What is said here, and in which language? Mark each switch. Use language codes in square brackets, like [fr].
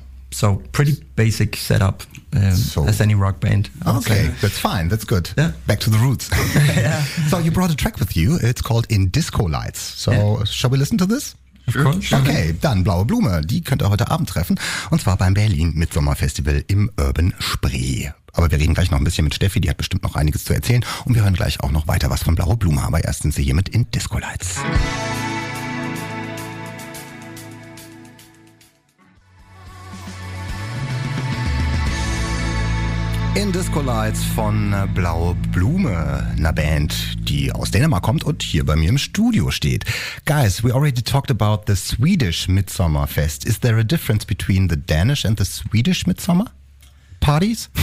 [en] So pretty basic setup as any rock band. Okay, that's fine. That's good. Yeah. Back to the roots. So you brought a track with you. It's called In Disco Lights. So shall we listen to this? Sure. [de] Okay, dann Blaue Blume. Die könnt ihr heute Abend treffen. Und zwar beim Berlin Midsommerfestival im Urban Spree. Aber wir reden gleich noch ein bisschen mit Steffi. Die hat bestimmt noch einiges zu erzählen. Und wir hören gleich auch noch weiter was von Blaue Blume. Aber erst sind sie hier mit In Disco Lights. In Disco Lights von Blaue Blume, einer Band, die aus Dänemark kommt und hier bei mir im Studio steht. [en] Guys, we already talked about the Swedish Midsommar Fest. Is there a difference between the Danish and the Swedish Midsommar parties?